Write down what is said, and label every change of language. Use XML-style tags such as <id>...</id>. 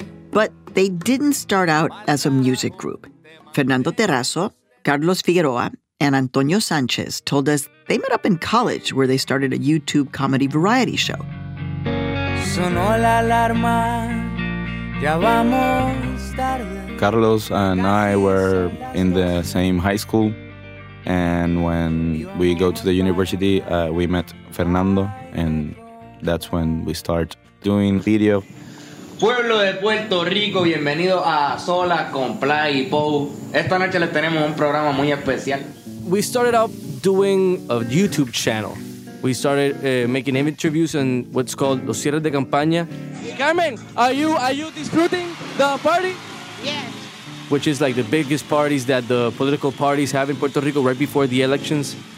<en>But they didn't start out as a music group. Fernando Terrazo, Carlos Figueroa, and Antonio Sanchez told us they met up in college where they started a YouTube comedy variety show.</en> <es>Sonó la alarma, ya vamos tarde.</es> <en>Carlos and I were in the same high school, and when we go to the university, we met Fernando, and that's when we start doing video.</en> <es>Pueblo de Puerto Rico, bienvenido a Sola con Play y Pou. Esta noche les tenemos un programa muy especial.</es> <en>We started out doing a YouTube channel. We started making interviews in what's called Los Cierres de Campaña. Carmen, are you disfruting the party? Yes. Which is like the biggest parties that the political parties have in Puerto Rico right before the elections.</en>